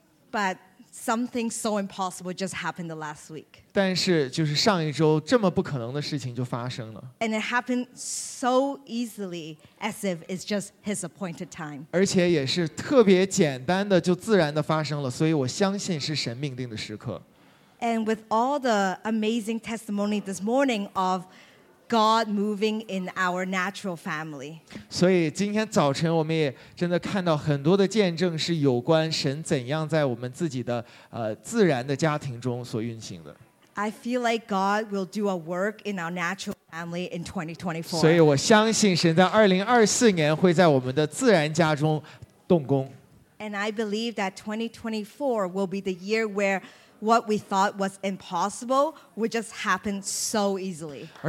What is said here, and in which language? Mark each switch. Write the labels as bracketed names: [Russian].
[English] But something so impossible just happened the last week. [Chinese] 但是就是上一周这么不可能的事情就发生了。 [English] And it happened so easily as if it's just his appointed time. [Chinese] 而且也是特别简单的就自然的发生了，所以我相信是神命定的时刻。 [English] And with all the amazing testimony this morning of God moving in our natural family. [Chinese] 所以今天早晨我们也真的看到很多的见证是有关神怎样在我们自己的自然的家庭中所运行的。 [English] I feel like God will do a work in our natural family in 2024. [Chinese] 所以我相信神在2024年会在我们的自然家中动工。 [English] And I believe that 2024 will be the year where what we thought was impossible would just happen so easily.